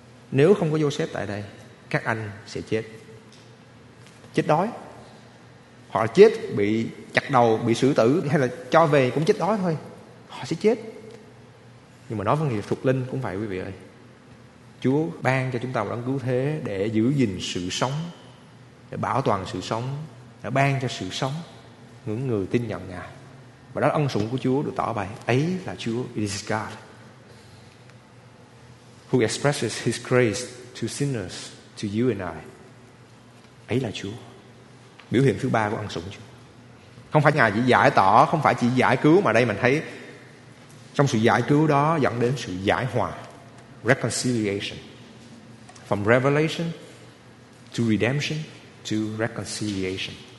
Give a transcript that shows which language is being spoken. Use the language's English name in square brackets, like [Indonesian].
[Vietnamese] Nếu không có Joseph tại đây, các anh sẽ chết, chết đói, họ chết bị chặt đầu, bị xử tử, hay là cho về cũng chết đói thôi, họ sẽ chết. Nhưng mà nói với nghiệp thuộc linh cũng vậy quý vị ơi. Chúa ban cho chúng ta một ân cứu thế để giữ gìn sự sống, để bảo toàn sự sống, để ban cho sự sống những người tin nhận Ngài. Và đó là ân sủng của Chúa được tỏ bày. Ấy là Chúa, [English] it is God who expresses his grace to sinners, to you and I. [Vietnamese] Ấy là Chúa. Biểu hiện thứ ba của ân sủng Chúa. Không phải Ngài chỉ giải tỏ, không phải chỉ giải cứu, mà đây mình thấy trong sự giải cứu đó dẫn đến sự giải hòa. Reconciliation. [English] From revelation to redemption to reconciliation.